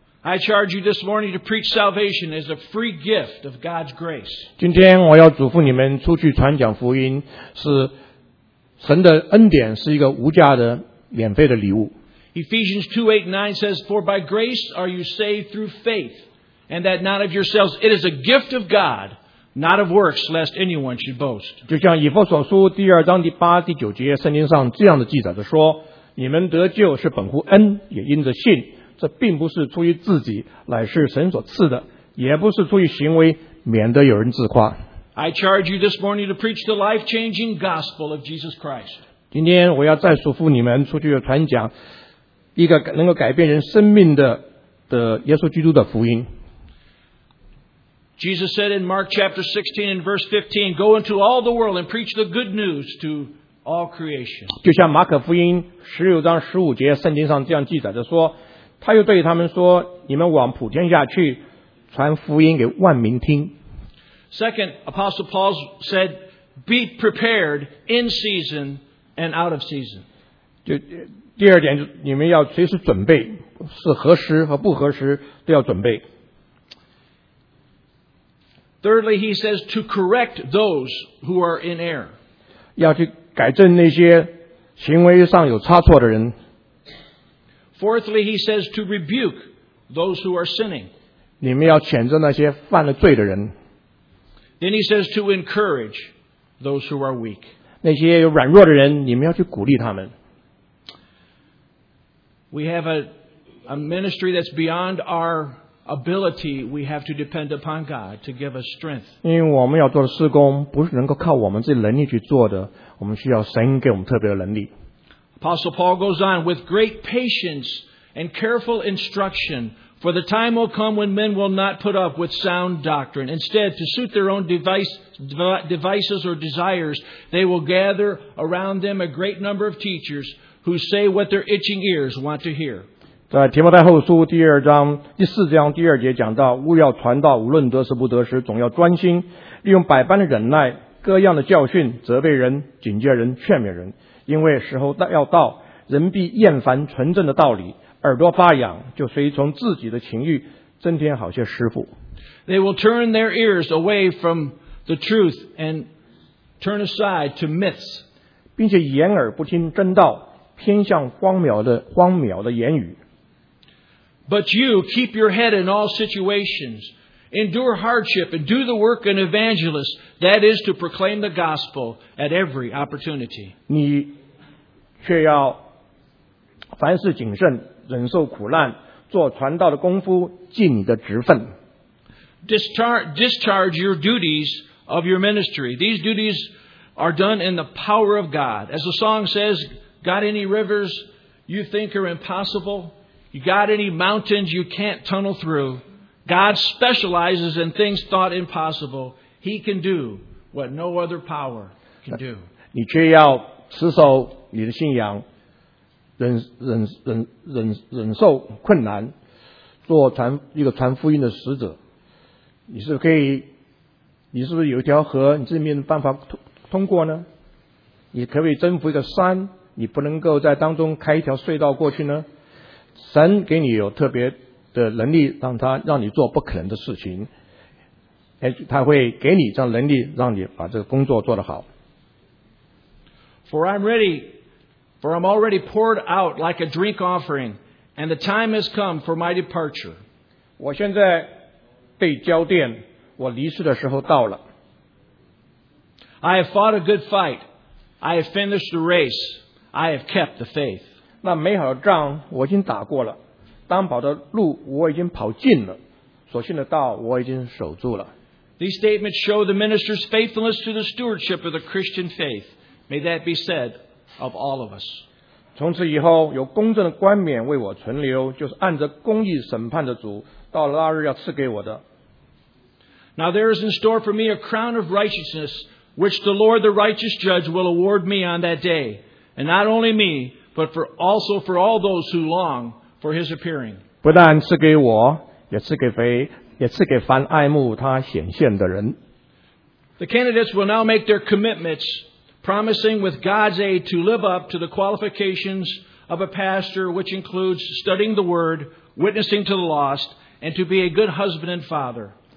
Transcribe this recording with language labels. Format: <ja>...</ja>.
<en>I charge you this morning to preach salvation as a free gift of God's grace.</en> <zh>今天我要嘱咐你们出去传讲福音是神的恩典是一个无价的免费的礼物。</zh> <en>Ephesians 2:8-9 says, For by grace are you saved through faith, and that not of yourselves, it is a gift of God, not of works, lest anyone should boast.</en> <zh>就像以弗所书第二章第八、第九节圣经上这样的记载的说，你们得救是本乎恩，也因着信。这并不是出于自己，乃是神所赐的，也不是出于行为，免得有人自夸。</zh> <en>I charge you this morning to preach the life-changing gospel of Jesus Christ.</en> <zh>今天我要再嘱咐你们出去传讲一个能够改变人生命的耶稣基督的福音。</zh> <en>Jesus said in Mark chapter 16 and verse 15, Go into all the world and preach the good news to all creation.</en> <zh>就像马可福音16章15节圣经上这样记载的说，他又对他们说，你们往普天下去传福音给万民听。</zh> <en>Second, Apostle Paul said, be prepared in season and out of season.</en> <zh>就第二点，你们要随时准备，是合时和不合时都要准备。</zh> <en>Thirdly, he says, to correct those who are in error.</en> <zh>要去改正那些行为上有差错的人。</zh> <en>Fourthly, he says, to rebuke those who are sinning.</en> <zh>你们要谴责那些犯了罪的人。</zh> <en>Then he says to encourage those who are weak.</en> <zh>那些有软弱的人，你们要去鼓励他们。</zh> <en>We have a ministry that's beyond our ability. We have to depend upon God to give us strength.</en> <zh>因为我们要做的事工不是能够靠我们自己能力去做的，我们需要神给我们特别的能力。</zh> <en>Apostle Paul goes on with great patience and careful instruction. For the time will come when men will not put up with sound doctrine. Instead, to suit their own devices or desires, they will gather around them a great number of teachers who say what their itching ears want to hear.</en> <zh>在提摩太后书第四章第二节讲到，勿要传道，无论得时不得时，总要专心，利用百般的忍耐，各样的教训，责备人，警戒人，劝勉人。因为时候要到，人必厌烦纯正的道理。耳朵发痒，就随从自己的情欲，增添好些师父。</zh> <en>They will turn their ears away from the truth and turn aside to myths.</en> <zh>并且掩耳不听真道，偏向荒谬的言语。</zh> <en>But you keep your head in all situations, endure hardship, and do the work of an evangelist, that is to proclaim the gospel at every opportunity.</en> <zh>你却要凡事谨慎。忍受苦难，做传道的功夫，尽你的职分。</zh> <en>Discharge your duties of your ministry. These duties are done in the power of God. As the song says, "Got any rivers you think are impossible? You got any mountains you can't tunnel through? God specializes in things thought impossible. He can do what no other power can do."</en> <zh>你却要持守你的信仰。忍受困难，做传福音的使者，你是可以，你是不是有一条河，你自己没有办法通过呢？你可不可以征服一个山，你不能够在当中开一条隧道过去呢？神给你有特别的能力，让你做不可能的事情，他会给你这样能力，让你把这个工作做得好。</zh> <en>For I'm ready. For I'm already poured out like a drink offering, and the time has come for my departure.</en> <zh>我现在被浇奠，我离世的时候到了。</zh> <en>I have fought a good fight. I have finished the race. I have kept the faith.</en> <zh>那美好的仗我已经打过了，当跑的路我已经跑尽了，所信的道我已经守住了。</zh> <en>These statements show the minister's faithfulness to the stewardship of the Christian faith. May that be said. Of all of us.</en> <zh>从此以后，有公正的冠冕为我存留，就是按着公义审判的主，到了那日要赐给我的。</zh> <en>Now there is in store for me a crown of righteousness, which the Lord, the righteous judge, will award me on that day. And not only me, but for also for all those who long for his appearing.</en> <zh>不但赐给我, 也赐给非, 也赐给凡爱慕他显现的人。</zh> <en>The candidates will now make their commitments, promising with God's aid to live up to the qualifications of a pastor, which includes studying the word, witnessing to the lost, and to be a good husband and father.</en>